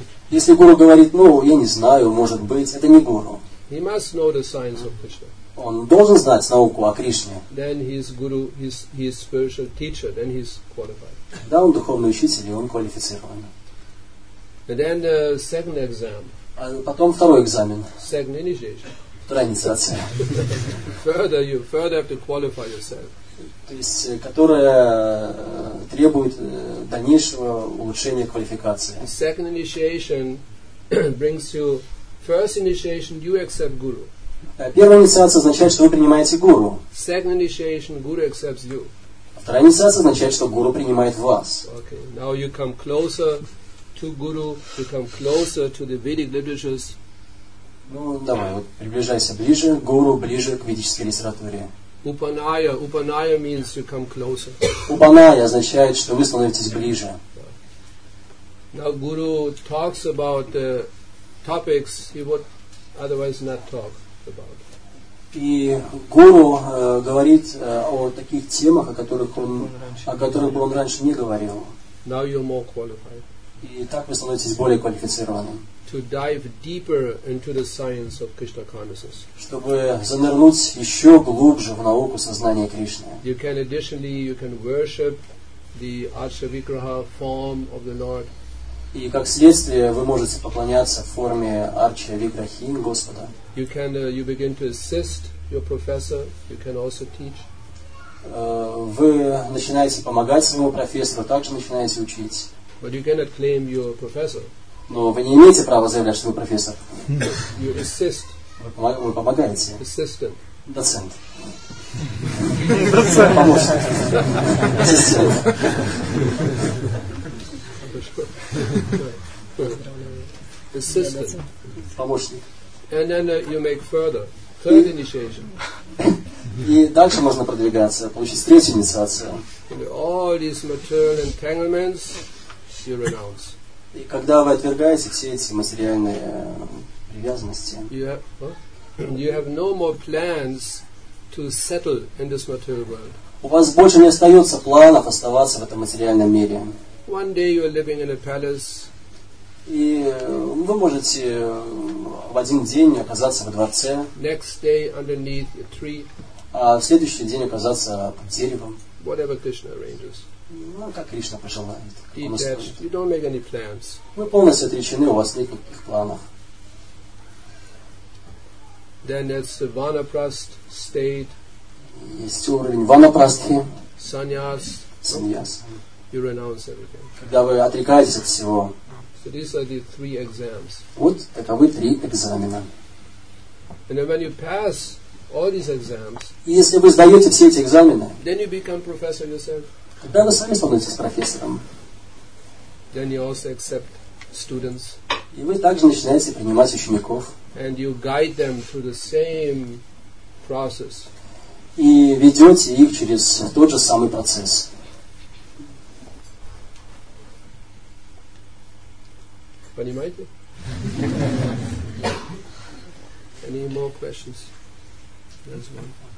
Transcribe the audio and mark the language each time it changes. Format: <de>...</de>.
<ru>Если гуру говорит, ну, я не знаю, может быть, это не гуру.</ru> <en>He must know the signs of Krishna.</en> <ru>Он должен знать науку о Кришне.</ru> <en>Then his guru, his spiritual teacher, then he's qualified.</en> <ru>Да, он духовный учитель, и он квалифицирован.</ru> <en>And then the second exam.</en> <ru>А потом второй экзамен.</ru> <en>Second initiation.</en> <ru>Вторая инициация.</ru> <en>Further have to qualify yourself.</en> <ru>То есть, которая требует дальнейшего улучшения квалификации.</ru> <en>The second initiation brings you. First initiation, you accept guru.</en> <ru>Первая инициация означает, что вы принимаете гуру.</ru> <en>Second initiation, guru accepts you.</en> <ru>Вторая инициация означает, что гуру принимает вас.</ru> <en>Okay. Now you come closer to guru. You come closer to the Vedic literatures.</en> <ru>Ну, давай, вот, приближайся ближе к гуру, ближе к ведической литературе.</ru> <en>Upanaya. Upanaya means you come closer.</en> <ru>Upanaya означает, что вы становитесь ближе.</ru> <en>Now guru talks about the topics he would otherwise not talk about.</en> <ru>И гуру говорит о таких темах, о которых бы он раньше не говорил.</ru> <en>Now you're more qualified.</en> <ru>И так вы становитесь более квалифицированным.</ru> <en>To dive deeper into the science of Krishna consciousness.</en> <ru>Чтобы занырнуть еще глубже в науку сознания Кришны.</ru> <en>You can additionally you can worship the Archavikraha form of the Lord.</en> <ru>И как следствие вы можете поклоняться в форме Арчи Виграхи Господа.</ru> <en>You can you begin to assist your professor. You can also teach.</en> <ru>Вы начинаете помогать своему профессору, также начинаете учить.</ru> <en>But you cannot claim your professor.</en> <ru>Но вы не имеете права заявлять, что вы профессор.</ru> <en>You assist.</en> <ru>Вы помогаете.</ru> <en>Assistant.</en> <ru>Доцент. Доцент. Помощник. Ассистент.</ru> <en>Assistant.</en> <ru>Помощник.</ru> <en>And then you make further. Third initiation.</en> <ru>И дальше можно продвигаться, получить третью инициацию.</ru> <en>And all these material entanglements, you renounce.</en> <ru>И когда вы отвергаете все эти материальные привязанности,</ru> <en>you have no more plans to settle in this material world.</en> <ru>У вас больше не остается планов оставаться в этом материальном мире.</ru> <en>One day you are living in a palace.</en> <ru>И вы можете в один день оказаться в дворце.</ru> <en>Next day underneath a tree.</en> <ru>А в следующий день оказаться под деревом.</ru> <en>Whatever Krishna arranges.</en> <ru>Ну, как Кришна пожелает.</ru> <en>You don't make any plans.</en> <ru>Вы полностью отречены, у вас нет никаких планов.</ru> <en>Then that's the vanaprast state.</en> <ru>Есть уровень ванапрастхи. Саньяс. Саньяс.</ru> <en>You renounce everything.</en> <ru>Когда вы отрекаетесь от всего.</ru> <en>So these are the three exams.</en> <ru>Вот таковы три экзамена.</ru> <en>And then when you pass all these exams,</en> <ru>если вы сдаете все эти экзамены,</ru> <en>then you become professor yourself.</en> <ru>Тогда вы сами становитесь профессором.</ru> <en>Then you also accept students.</en> <ru>И вы также начинаете принимать учеников.</ru> <en>And you guide them through the same process.</en> <ru>И ведете их через тот же самый процесс. Понимаете?</ru> <en>Any more questions? There's one.</en>